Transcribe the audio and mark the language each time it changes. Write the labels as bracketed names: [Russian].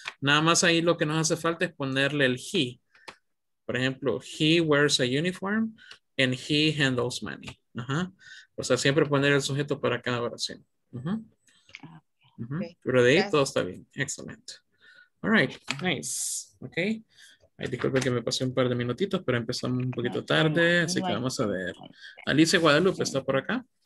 [Spanish] Nada más ahí lo que nos hace falta es ponerle el he. Por ejemplo, [English] he wears a uniform and he handles money. [Spanish] Uh-huh. O sea, siempre poner el sujeto para cada oración. Uh-huh. Uh-huh. Okay. Pero de ahí todo está bien. [English] Excellent. All right. Nice. [Spanish] Ok. Ay, disculpe que me pasé un par de minutitos, pero empezamos un poquito tarde. Así que vamos a ver. Alicia Guadalupe está por acá.